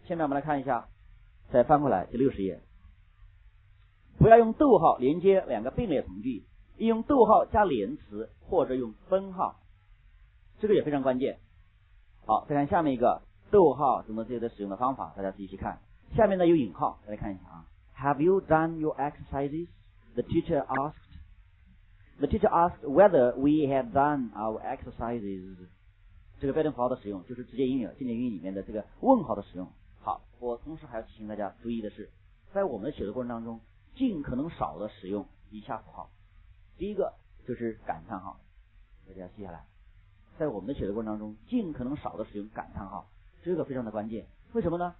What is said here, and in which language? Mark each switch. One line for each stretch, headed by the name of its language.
Chinese: 下面我们来看一下，再翻过来第60页，不要用逗号连接两个并列从句，应用逗号加连词或者用分号，这个也非常关键。好，再看下面一个逗号怎么这些的使用的方法，大家自己去看。下面呢有引号，大家看一下啊。
English: Have you done your exercises? The teacher asked. The teacher asked whether we had done our exercises.
Chinese: 这个标点符号的使用就是直接英语了，经典英语里面的这个问号的使用。好，我同时还要提醒大家注意的是，在我们写的过程当中，尽可能少的使用以下符号。第一个就是感叹号，大家记下来，在我们的写的过程当中，尽可能少的使用感叹号，这个非常的关键。为什么呢？